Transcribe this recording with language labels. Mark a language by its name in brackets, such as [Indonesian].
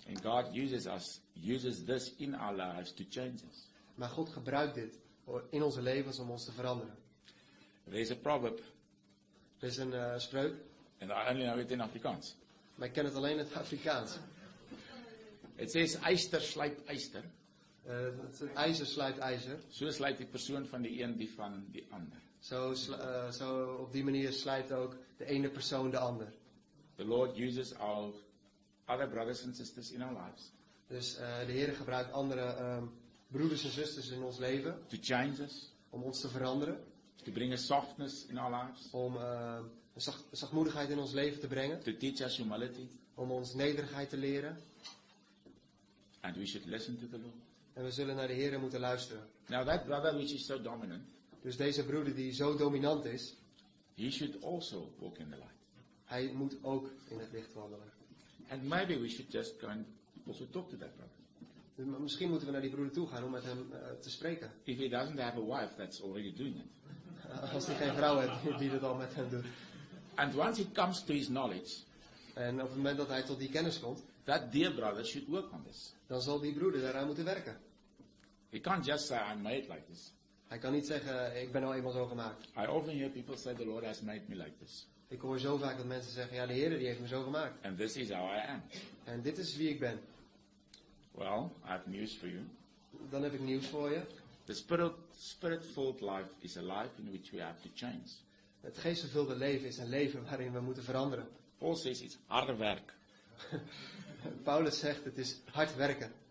[English] And God uses this in our lives to change us. [Dutch] Maar God gebruikt dit in onze levens om ons te veranderen. [English] There's a proverb. [Dutch] Er is een spreuk. [English] And I only know it in Afrikaans. [Dutch] Maar ik ken het alleen in het Afrikaans. [English] It says, [Afrikaans] ijster slijt ijster. [Dutch] Ijzer slijt ijzer. [Afrikaans] Zo slijt die persoon van die een die van die ander. [Dutch] Zo op die manier slijt ook de ene persoon de ander. [English] The Lord uses our other brothers and sisters in our lives. [Dutch] Dus de Heer gebruikt andere broeders en zusters in ons leven. [English] To change us. [Dutch] Om ons te veranderen. [English] To bring a softness in our lives. [Dutch] Om zachtmoedigheid in ons leven te brengen. [English] To teach us humility. [Dutch] Om ons nederigheid te leren. [English] And we should listen to the Lord. [Dutch] En we zullen naar de Heer moeten luisteren. [English] Now that brother which is so dominant. [Dutch] Dus deze broeder die zo dominant is. [English] He should also walk in the light. [Dutch] Hij moet ook in het licht wandelen. [English] And maybe we should just go and also talk to that brother. [Dutch] Dus misschien moeten we naar die broeder toe gaan om met hem te spreken. [English] If he doesn't have a wife, that's already doing it. [Dutch] Als hij geen vrouw heeft die dat al met hem doet. [English] And once he comes to his knowledge. [Dutch] En op het moment dat hij tot die kennis komt. [English] That dear brother should work on this. [Dutch] Dan zal die broeder daaraan moeten werken. [English] He can't just say I'm made like this. [Dutch] Hij kan niet zeggen ik ben al eenmaal zo gemaakt. [English] I often hear people say the Lord has made me like this. [Dutch] Ik hoor zo vaak dat mensen zeggen ja de Heer die heeft me zo gemaakt. [English] And this is how I am. [Dutch] En dit is wie ik ben. [English] Well, I have news for you. [Dutch] Dan heb ik nieuws voor je. [English] The spirit-filled life is a life in which we have to change. [Dutch] Het geestvervulde leven is een leven waarin we moeten veranderen. [English] Paul says it's hard work. [Dutch] Paulus zegt, het is hard werken.